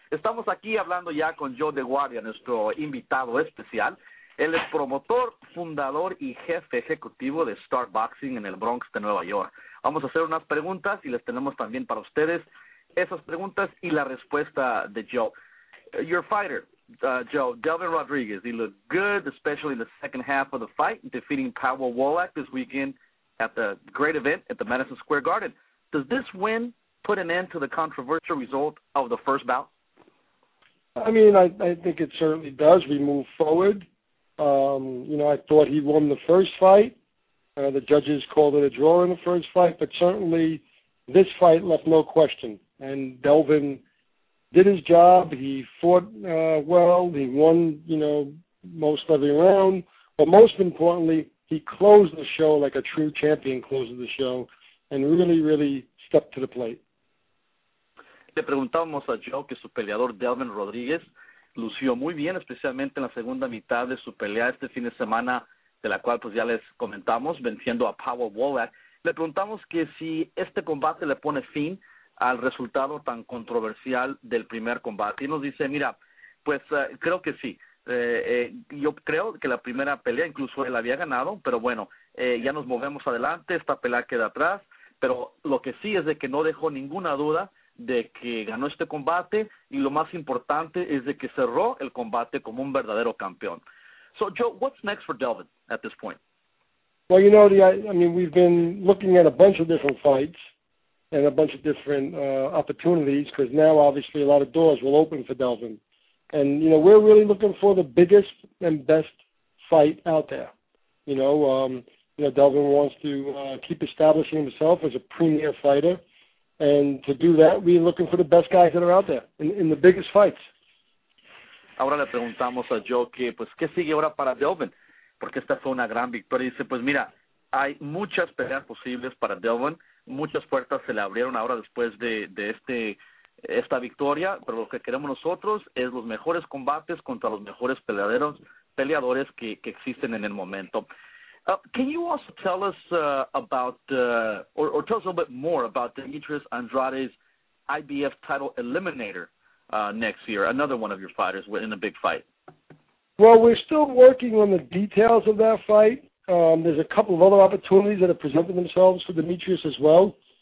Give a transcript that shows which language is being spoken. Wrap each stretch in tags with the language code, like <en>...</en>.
<es>Estamos aquí hablando ya con Joe DeGuardia, nuestro invitado especial. Él es promotor, fundador y jefe ejecutivo de Star Boxing en el Bronx de Nueva York. Vamos a hacer unas preguntas y les tenemos también para ustedes esas preguntas y la respuesta de Joe.</es> <en>Your fighter, Joe, Delvin Rodriguez, he looked good, especially in the second half of the fight, defeating Pavel Wolak this weekend at the great event at the Madison Square Garden. Does this win put an end to the controversial result of the first bout? I mean, I think it certainly does. We move forward. You know, I thought he won the first fight. The judges called it a draw in the first fight, but certainly this fight left no question. And Delvin did his job. He fought well. He won, you know, most every round. But most importantly, he closed the show like a true champion closes the show and really, really stepped to the plate.</en> <es>Le preguntamos a Joe que su peleador Delvin Rodriguez lució muy bien, especialmente en la segunda mitad de su pelea este fin de semana de la cual pues ya les comentamos, venciendo a Power Wolak. Le preguntamos que si este combate le pone fin al resultado tan controversial del primer combate. Y nos dice, mira, pues creo que sí. Yo creo que la primera pelea incluso él había ganado, pero bueno, ya nos movemos adelante, esta pelea queda atrás. Pero lo que sí es de que no dejó ninguna duda de que ganó este combate, y lo más importante es de que cerró el combate como un verdadero campeón.</es> <en>So, Joe, what's next for Delvin at this point? Well, you know, we've been looking at a bunch of different fights and a bunch of different opportunities, because now, obviously, a lot of doors will open for Delvin. And, you know, we're really looking for the biggest and best fight out there. You know, Delvin wants to keep establishing himself as a premier fighter. And to do that, we're looking for the best guys that are out there in the biggest fights.</en> <es>Ahora le preguntamos a Joe que, pues, ¿qué sigue ahora para Delvin? Porque esta fue una gran victoria. Y dice, pues mira, hay muchas peleas posibles para Delvin. Muchas puertas se le abrieron ahora después de esta victoria. Pero lo que queremos nosotros es los mejores combates contra los mejores peleadores que existen en el momento.</es> <en>Can you also tell us tell us a little bit more about Demetrius Andrade's IBF title eliminator next year, another one of your fighters in a big fight? Well, we're still working on the details of that fight. There's a couple of other opportunities that have presented themselves for Demetrius as well.</en>